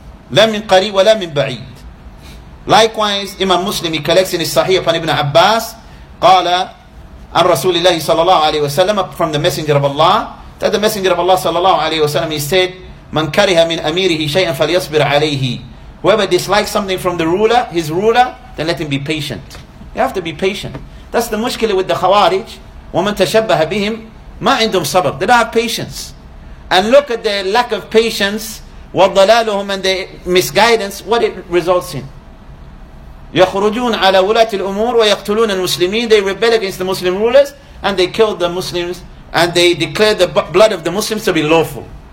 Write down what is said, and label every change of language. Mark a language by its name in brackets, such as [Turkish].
[Arabic] لَا مِنْ قَرِيبٍ وَلَا مِنْ بَعِيدٍ [English] Likewise, Imam Muslim, he collects in his Sahih upon Ibn Abbas, [Arabic] قَالَ عَنْ رَسُولِ اللَّهِ صَلَى اللَّهُ عَلَيْهِ وَسَلَّمَ [English] from the Messenger of Allah, that the Messenger of Allah صلى الله عليه وسلم, he said, [Arabic] مَنْ كَرِهَ مِنْ أَمِيرِهِ شَيْئًا فَلْيَصْبِرْ عَلَيْهِ [English] Whoever dislikes something from the ruler, his ruler, then let him be patient. You have to be patient. That's the mushkila with the Khawarij. [Arabic] وَمَنْ تَشَبَّهَ بِهِمْ مَا عِنْدُمْ صَبَرٍ [English] They don't have patience. And look at their lack of patience, وَالضَّلَالُهُمْ and their misguidance, what it results in. [Arabic] يَخْرُجُونَ عَلَى وُلَاتِ الْأُمُورِ وَيَقْتُلُونَ الْمُسْلِمِينَ [English] They rebel against the Muslim rulers, and they kill the Muslims, and they declare the blood of the Muslims to be lawful.